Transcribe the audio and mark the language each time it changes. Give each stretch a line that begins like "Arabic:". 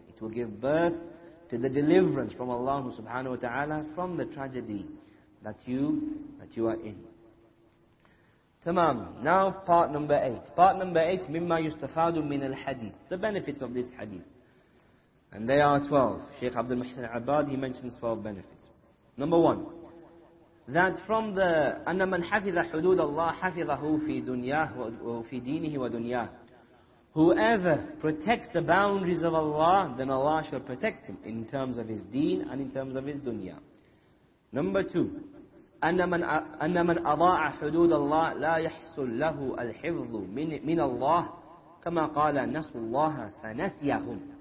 English: It will give birth to the deliverance from Allah subhanahu wa ta'ala from the tragedy that you are in. Tamam. Now part number 8. Part number 8,
Arabic: mimma yustafadu min al-hadith.
English: The benefits of this hadith. And they are 12. Shaykh Abdul Muhsin Abad, he mentions 12 benefits. Number 1, that from the
Arabic: أن من حفظ حدود الله حفظه في دنياه وفي دينه ودنياه.
English: Whoever protects the boundaries of Allah, then Allah shall protect him in terms of his deen and in terms of his dunya. Number 2,
Arabic: أن من أضاع حدود الله لا يحصل له الحفظ من الله كما قال نسوا الله فنسيهم.